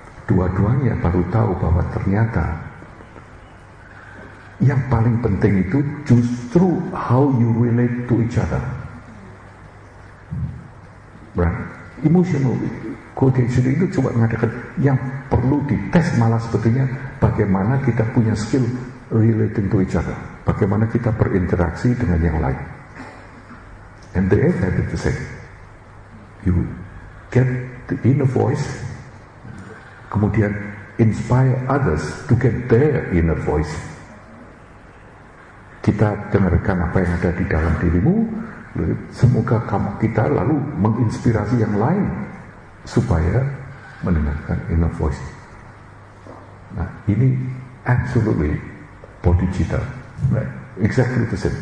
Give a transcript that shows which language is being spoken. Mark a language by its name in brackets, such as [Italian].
[Indonesian] Dua-duanya baru tahu bahwa ternyata yang paling penting itu justru how you relate to each other. Right? Emotional coordinates itu cuma mengatakan yang perlu dites malah sebetulnya bagaimana kita punya skill relating to each other. Bagaimana kita berinteraksi dengan yang lain. [English] And the eighth habit to say, you get the inner voice, kemudian inspire others to get their inner voice. [Indonesian] Kita dengarkan apa yang ada di dalam dirimu, semoga kamu kita lalu menginspirasi yang lain supaya mendengarkan inner voice. [English] Nah, ini absolutely bodhicitta, exactly the same.